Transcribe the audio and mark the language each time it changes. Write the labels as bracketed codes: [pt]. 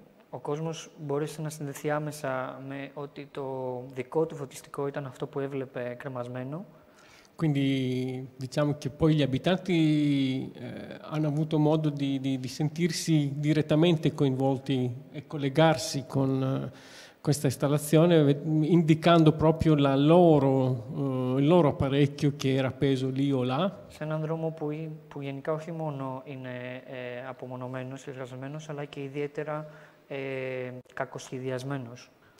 [el] Ο κόσμος μπόρεσε να συνδεθεί άμεσα με ότι το δικό του φωτιστικό ήταν αυτό που έβλεπε κρεμασμένο. [it] Quindi diciamo che poi gli abitanti hanno avuto modo di sentirsi direttamente coinvolti e collegarsi con questa installazione, indicando proprio il loro apparecchio che era appeso lì o là. [el] Σε έναν δρόμο που γενικά όχι μόνο είναι απομονωμένος, εργασμένος, αλλά και ιδιαίτερα κακοσχεδιασμένος.